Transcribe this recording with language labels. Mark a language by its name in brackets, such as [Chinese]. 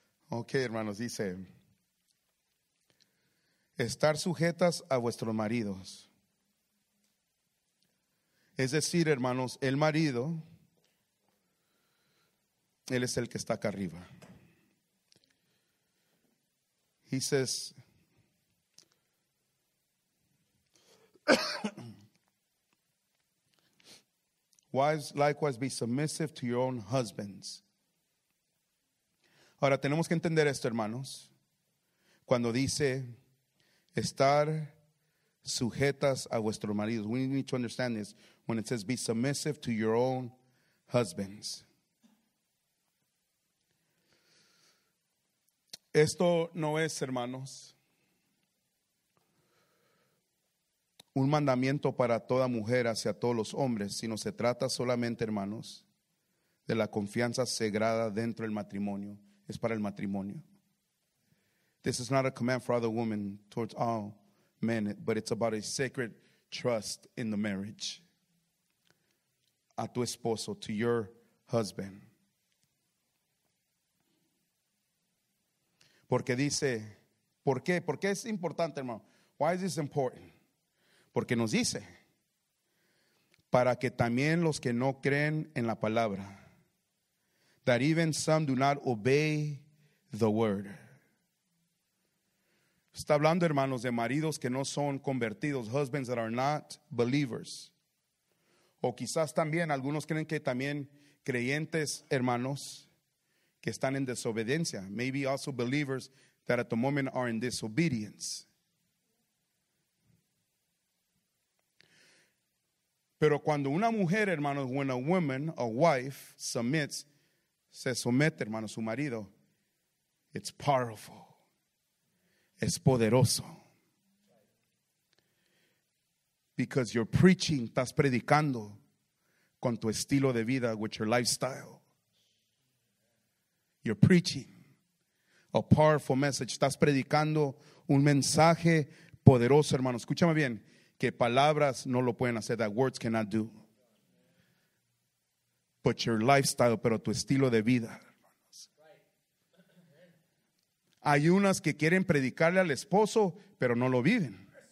[Spanish] Ok, hermanos, dice, estar sujetas a vuestros maridos. Es decir, hermanos, el marido, él es el que está acá arriba. [English] He says, wives, likewise, be submissive to your own husbands. [Spanish] Ahora, tenemos que entender esto, hermanos. Cuando dice, estar sujetas a vuestros maridos. [English] We need to understand this. When it says, be submissive to your own husbands. [Spanish] Esto no es, hermanos, un mandamiento para toda mujer hacia todos los hombres, sino se trata solamente, hermanos, de la confianza sagrada dentro del matrimonio. Es para el matrimonio. [English] This is not a command for other women towards all men, but it's about a sacred trust in the marriage. [Spanish] A tu esposo, [English] to your husband. [Spanish] Porque dice, ¿por qué? ¿Por qué es importante, hermano? [English] Why is this important? [Spanish] Porque nos dice, para que también los que no creen en la palabra, [English] that even some do not obey the word. [Spanish] Está hablando, hermanos, de maridos que no son convertidos, [English] husbands that are not believers. [Spanish] O quizás también, algunos creen que también creyentes, hermanos, que están en desobediencia. [English] Maybe also believers that at the moment are in disobedience. [Spanish] Pero cuando una mujer, hermanos, [English] when a woman, a wife, submits, [Spanish] se somete, hermanos, su marido, [English] it's powerful. [Spanish] Es poderoso. [English] Because you're preaching, [Spanish] estás predicando con tu estilo de vida, [English] with your lifestyle. You're preaching a powerful message. [Spanish] Estás predicando un mensaje poderoso, hermano. Escúchame bien, que palabras no lo pueden hacer, [English] that words cannot do. But your lifestyle, [Spanish] pero tu estilo de vida. Hay unas que quieren predicarle al esposo, pero no lo viven.